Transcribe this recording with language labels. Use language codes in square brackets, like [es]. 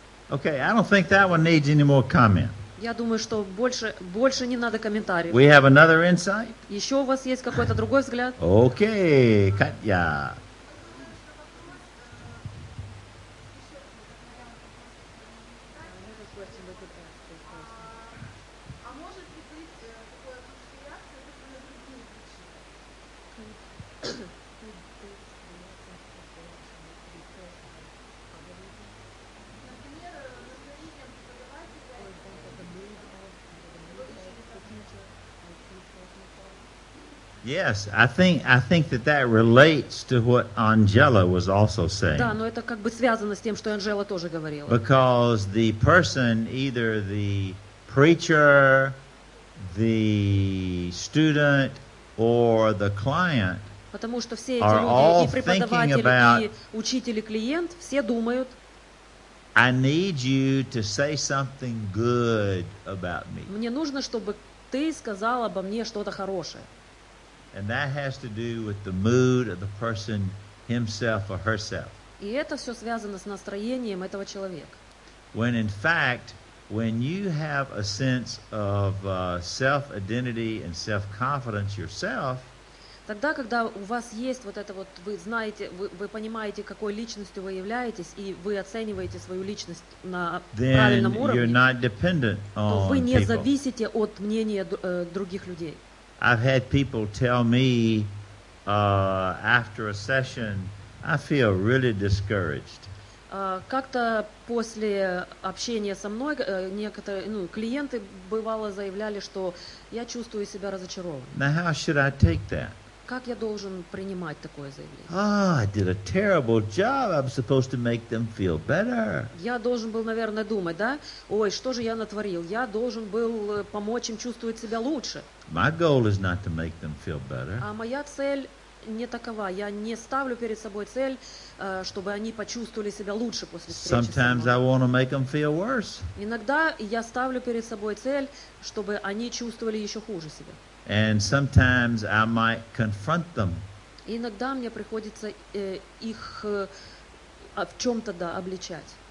[en] Okay, I don't think that one needs any more comment. [ru] Я думаю, что больше не надо комментариев. [en] We have another insight? [ru] Еще у вас есть какой-то другой взгляд? [en] Okay, Katya. Yes, I think that relates to what Angela was also saying. [ru] Да, но это как бы связано с тем, что Анжела тоже говорила. [en] Because the person, either the preacher, the student, or the client, [ru] потому что все эти люди, и преподаватель, [en] about, [ru] и учитель, и клиент, все думают. [en] I need you to say something good about me. [ru] Мне нужно, чтобы ты сказал обо мне что-то хорошее. [en] And that has to do with the mood of the person himself or herself. [ru] И это все связано с настроением этого человека. [en] When in fact, when you have a sense of self-identity and self-confidence yourself, [ru] тогда, когда у вас есть вот это вот, вы знаете, вы понимаете, какой личностью вы являетесь, и вы оцениваете свою личность на правильном уровне, [en] then you're not dependent on people. [ru] То вы не зависите от мнения других людей. [en] I've had people tell me after a session, I feel really discouraged. [ru] Как-то после общения со мной некоторые клиенты бывало заявляли, что я чувствую себя разочарованным. [en] Now how should I take that? [ru] Как я должен принимать такое заявление? [en] Ah, I did a terrible job. I'm supposed to make them feel better. [ru] Я должен был, наверное, думать, да? Ой, что же я натворил? Я должен был помочь им чувствовать себя лучше. [en] My goal is not to make them feel better. [ru] А моя цель не такова. Я не ставлю перед собой цель, чтобы они почувствовали себя лучше после встречи. [en] Sometimes I want to make them feel worse. [ru] Иногда я ставлю перед собой цель, чтобы они чувствовали еще хуже себя. [en] And sometimes I might confront them. [ru] Иногда мне приходится их в чем-то да обличать.